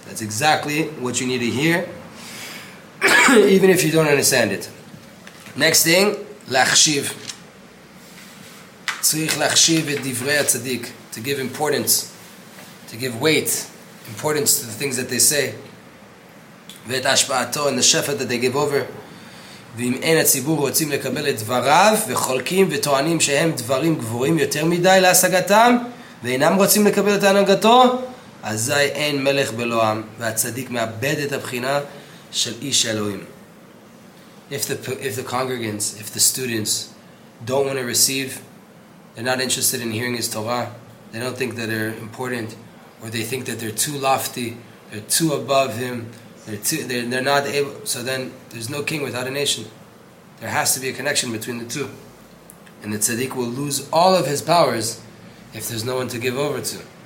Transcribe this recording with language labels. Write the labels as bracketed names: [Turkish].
[English] That's exactly what you need to hear, even if you don't understand it. Next thing, lachshiv. [Hebrew] Tzrich lachshiv et divrei tzaddik. [English] To give importance, to give weight, importance to the things that they say. [Hebrew] ואת השפעתו, [English] and the shefet that they give over. [Hebrew] ואם אין הציבור רוצים לקבל את דבריו, וחולקים וטוענים שהם דברים גבוהים יותר מדי להשגתם, ואינם רוצים לקבל את הנהגתו, אזי אין מלך בלועם, והצדיק מאבד את הבחינה של איש אלוהים. [English] If the congregants, if the students don't want to receive, they're not interested in hearing his Torah, they don't think that they're important, or they think that they're too lofty, they're too above him, They're not able. So then, there's no king without a nation. There has to be a connection between the two, and the tzaddik will lose all of his powers if there's no one to give over to.